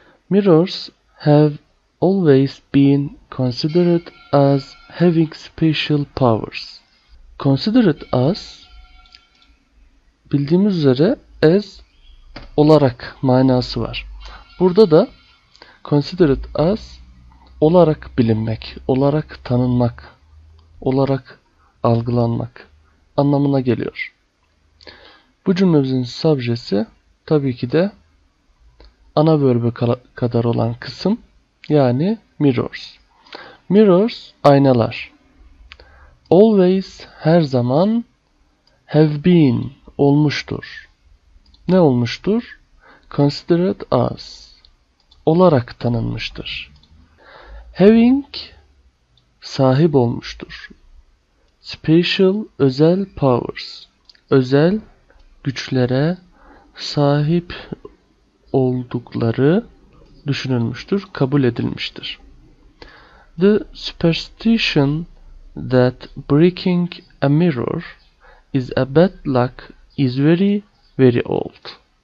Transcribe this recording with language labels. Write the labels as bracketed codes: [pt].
[en] Mirrors have always been considered as having special powers. [tr] Considered as, bildiğimiz üzere as olarak manası var. Burada da considered as olarak bilinmek, olarak tanınmak, olarak algılanmak anlamına geliyor. Bu cümlemizin subjesi tabii ki de ana verb'e kadar olan kısım. Yani mirrors. Mirrors, aynalar. Always, her zaman. Have been, olmuştur. Ne olmuştur? Considered as, olarak tanınmıştır. Having, sahip olmuştur. Special, özel powers, özel güçlere sahip oldukları düşünülmüştür, kabul edilmiştir. [en] The superstition that breaking a mirror is a bad luck is very, very old.